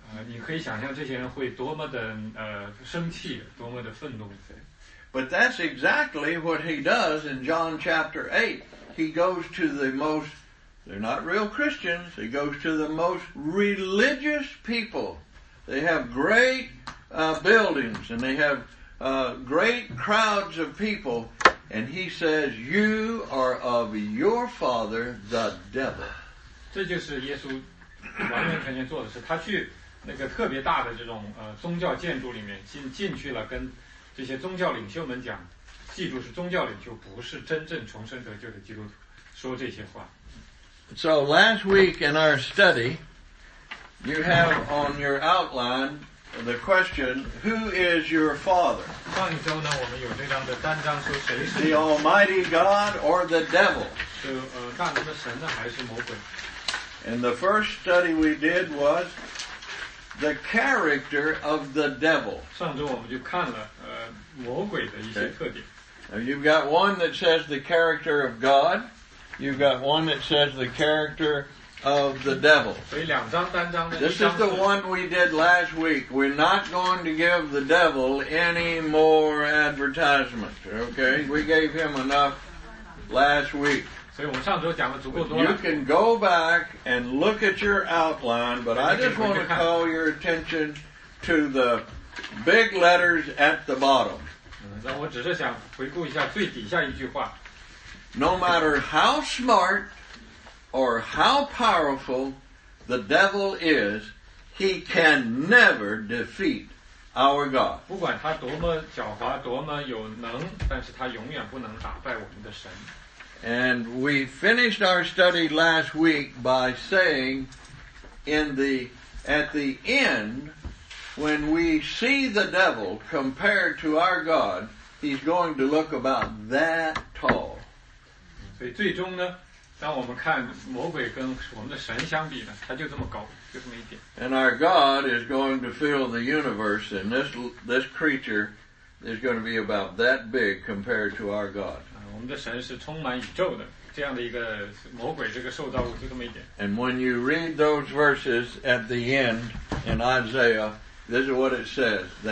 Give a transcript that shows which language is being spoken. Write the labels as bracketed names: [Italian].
[Chinese] 你可以想象这些人会多么的生气，多么的愤怒。 [English] But that's exactly what he does in John chapter 8. He goes to the most, they're not real Christians, he goes to the most religious people. They have great buildings and they have great crowds of people, and he says, you are of your father the devil. [Chinese] 这就是耶稣完完全全做的事，他去那个特别大的这种宗教建筑里面进去了，跟这些宗教领袖们讲，记住是宗教领袖，不是真正重生得救的基督徒，说这些话。 [English] So last week in our study you have on your outline the question, who is your father? [Chinese] 上一周呢，我们有这样的单张说谁是 [English] the Almighty God or the devil? [Chinese] 是大能的神呢，还是魔鬼？ [English] And the first study we did was the character of the devil. [Chinese] 上周我们就看了魔鬼的一些特点。 [English] Okay. Now you've got one that says the character of God. You've got one that says the character of the devil. [Chinese] 所以两张单张的。 [English] This is the one we did last week. We're not going to give the devil any more advertisement. Okay? We gave him enough last week. [Chinese] 所以我们上周讲的足够多了。 [English] You can go back and look at your outline, but I just want to call your attention to the big letters at the bottom. [Chinese] 那我只是想回顾一下最底下一句话。 [English] No matter how smart or how powerful the devil is, he can never defeat our God. [Chinese] 不管他多么狡猾，多么有能，但是他永远不能打败我们的神。 [English] And we finished our study last week by saying, at the end, when we see the devil compared to our God, he's going to look about that tall. [Chinese] 所以最终呢，当我们看魔鬼跟我们的神相比呢，他就这么高，就这么一点。 [English] And our God is going to fill the universe, and this creature is going to be about that big compared to our God. [Chinese] 我们的神是充满宇宙的，这样的一个魔鬼，这个受造物就这么一点。 [English] And when you read those verses at the end in Isaiah, this is what it says.